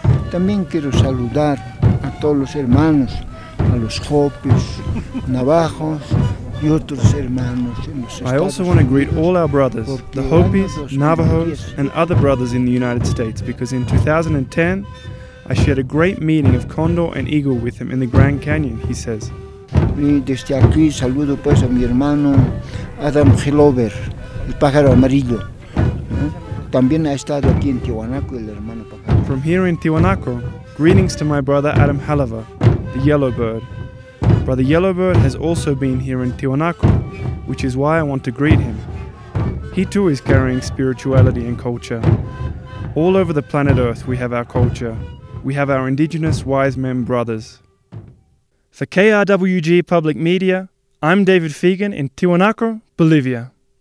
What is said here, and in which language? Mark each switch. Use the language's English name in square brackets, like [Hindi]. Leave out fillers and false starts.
[Spanish] También quiero saludar a todos los hermanos, a los Hopis, Navajos, y otros hermanos en los Estados [English] I also want to greet all our brothers, the Hopis, Navajos, and other brothers in the United States, because in 2010, I shared a great meeting of Condor and Eagle with him in the Grand Canyon, he says. [Spanish] Y desde aquí saludo pues a mi hermano Adam Hillover, el pájaro amarillo. También ha estado aquí en Tiwanaku, el hermano pájaro. [English] From here in Tiwanaku, greetings to my brother Adam Hallover, the Yellow Bird. Brother Yellow Bird has also been here in Tiwanaku, which is why I want to greet him. He too is carrying spirituality and culture. All over the planet Earth we have our culture. We have our indigenous wise men brothers. For KRWG Public Media, I'm David Fegan in Tiwanaku, Bolivia.